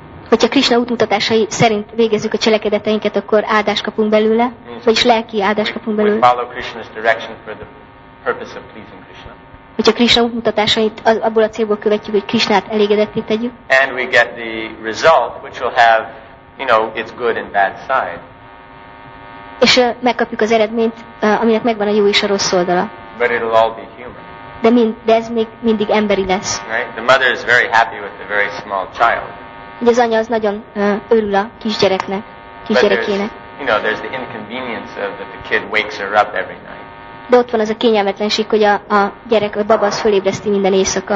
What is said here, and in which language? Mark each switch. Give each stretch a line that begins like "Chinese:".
Hungarian: Hogyha Krishna útmutatásai szerint végezzük a cselekedeteinket, akkor áldást kapunk belőle, vagyis lelki áldást kapunk belőle.
English: We follow Krishna's direction for the purpose of pleasing Krishna.
Hungarian: Hogyha Krishna útmutatásait abból a célból követjük, hogy Krishnát elégedetté tegyük.
English: And we get the result, which will have, you know, its good and bad side.
Hungarian: És megkapjuk az eredményt, aminek megvan a jó és a rossz oldala.
English: But it'll all be human.
Hungarian: De ez még mindig emberi lesz.
English: Right? The mother is very happy with a very small child.
Hungarian: Ugye az anya az nagyon örül a kisgyereknek, kisgyerekének.
English: You know, there's the inconvenience of that the kid wakes her up every night.
Hungarian: De ott van az a kényelmetlenség, hogy a gyerek, a baba az fölébreszti minden éjszaka.